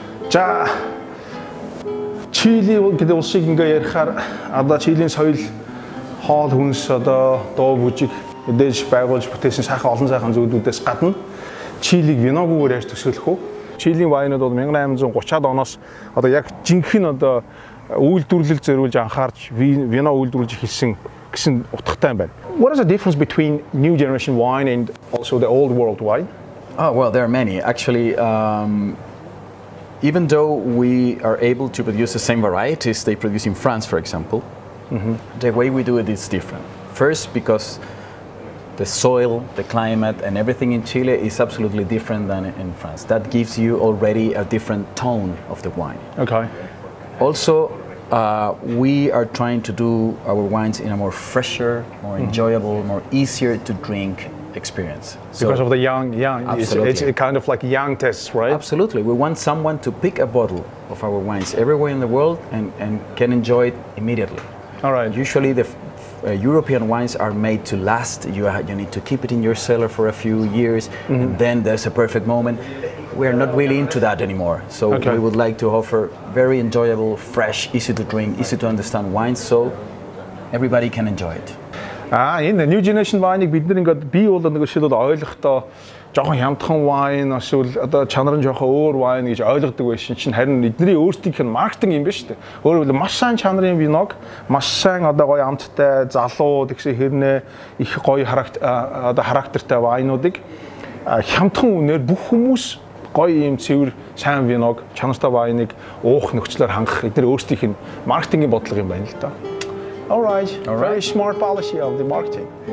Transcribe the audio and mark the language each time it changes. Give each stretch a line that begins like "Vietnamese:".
Mongolian: За Чили гэдэг улсыг ингээ ярихаар одоо Чилийн соёл хоол хүнс одоо дуу бүжиг мэдээж байгуулж бүтээсэн сайхан олон сайхан зүйлүүдээс гадна Чилиг виногоор ярьж төсөөлөх үү. Чилийн вайнууд бол 1830-аад оноос одоо яг жинхэнэ одоо үйлдвэрлэл зөриулж анхаарч вино үйлдвэрлэж эхэлсэн гэсэн утгатай юм байна.
English: What is the difference between new generation wine and also the old world wine? Oh well, there are many actually. Even though we are able to produce the same varieties they produce in France, for example, The way we do it is different. First, because the soil, the climate, and everything in Chile is absolutely different than in France. That gives you already a different tone of the wine. Okay. Also, we are trying to do our wines in a more fresher, more enjoyable, more easier to drink experience. So, because of the young, it's kind of like young tests, right? Absolutely. We want someone to pick a bottle of our wines everywhere in the world and can enjoy it immediately. All right. Usually the European wines are made to last. You need to keep it in your cellar for a few years, and then there's a perfect moment. We are not really into that anymore. So we would like to offer very enjoyable, fresh, easy to drink, easy to understand wines, so everybody can enjoy it. In the new generation wine, we didn't got be old and the oil,
Mongolian: жохон хямдхан вайн эсвэл одоо чанар нь жохон өөр вайн гэж ойлгодог байсан чинь харин эдний өөртөөх нь маркетинг юм ба шүү дээ. Өөрөөр хэлбэл маш сайн чанарын виног, маш сайн одоо гоё амттай залуу тэгшээ хэрнээ их гоё характер одоо характертай вайнуудыг хямдхан үнээр бүх хүмүүс гоё юм цэвэр сайн виног чанартай вайныг уух нөхцлөөр хангах эдний өөртөөх нь маркетингийн бодлого юм байна л да.
English: All right. Very smart policy of the marketing.